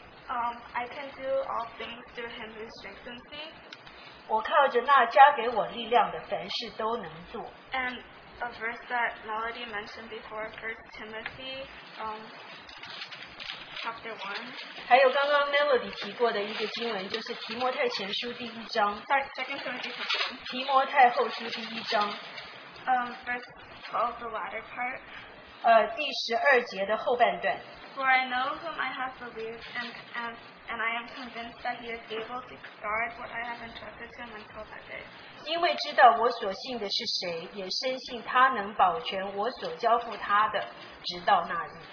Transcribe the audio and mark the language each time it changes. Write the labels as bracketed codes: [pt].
[en] I can do all things through him who strengthens me. [zh] 我靠着那加给我力量的，凡事都能做。 [en] And a verse that Melody mentioned before, 1 Timothy, Chapter 1. [zh] 还有刚刚 Melody 提过的一个经文，就是提摩太前书第一章。 [en] Second Timothy 1. [zh] 提摩太后书第一章。 [en] Verse 12, the latter part. [zh] 第十二节的后半段。 [en] For I know whom I have believed, and I am convinced that he is able to guard what I have entrusted to him until that day. [zh] 因为知道我所信的是谁，也深信他能保全我所交付他的，直到那日。